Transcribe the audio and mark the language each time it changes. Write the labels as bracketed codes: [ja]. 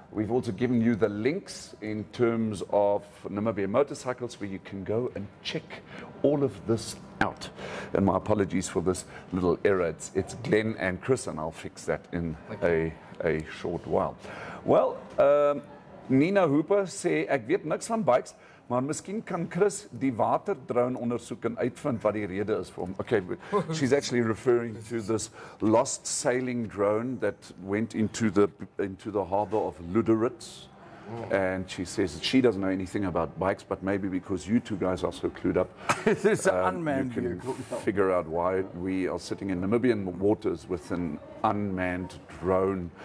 [en] We've also given you the links in terms of Namibia Motorcycles where you can go and check all of this out. And my apologies for this little error. It's Glenn and Chris, and I'll fix that in a short while. [af] Well, Nina Hooper sê, ek weet niks van bikes. Maar miskien kan Chris die waterdrone ondersoek en uitvind wat die rede is vir hom. [en] Okay, she's actually referring to this lost sailing drone that went into the harbor of Luderitz. And she says that she doesn't know anything about bikes, but maybe because you two guys are so clued up, it's an unmanned you can figure out why we are sitting in Namibian waters with an unmanned drone.